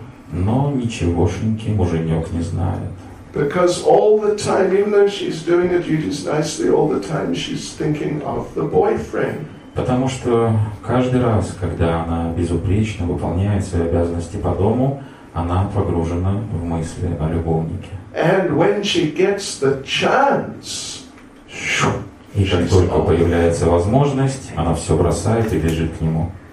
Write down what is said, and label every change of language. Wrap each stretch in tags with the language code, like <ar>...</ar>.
<ru>Но ничегошеньки муженек не знает.</ru> <en>Because all the time, even though she's doing her duties nicely, all the time she's thinking of the boyfriend.</en> <ru>Потому что каждый раз, когда она безупречно выполняет свои обязанности по дому, она погружена в мысли о любовнике.</ru> <en>And when she gets the chance,</en> <ru>и как только появляется возможность, она все бросает и бежит к нему.</ru>